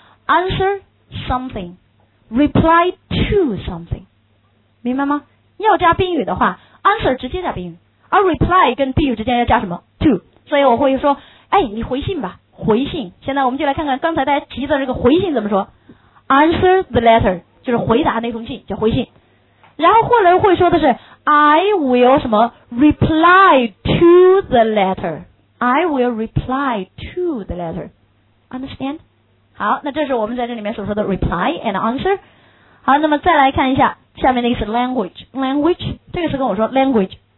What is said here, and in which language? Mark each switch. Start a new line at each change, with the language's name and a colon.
English: answer something reply to something，
Chinese: 明白吗？要加宾语的话 answer 直接加宾语，而 reply 跟宾语之间要加什么 to。所以我会说哎，你回信吧，回信。现在我们就来看看刚才大家提的这个回信怎么说。
English: answer the letter
Chinese: 就是回答那封信，叫回信。然后后来会说的是
English: I will
Chinese: 什么
English: reply to the letter， I will reply to the letter， understand？
Chinese: 好，那这是我们在这里面所说的 reply and answer。好，那么再来看一下下面那个是 language， 这个是跟我说 language。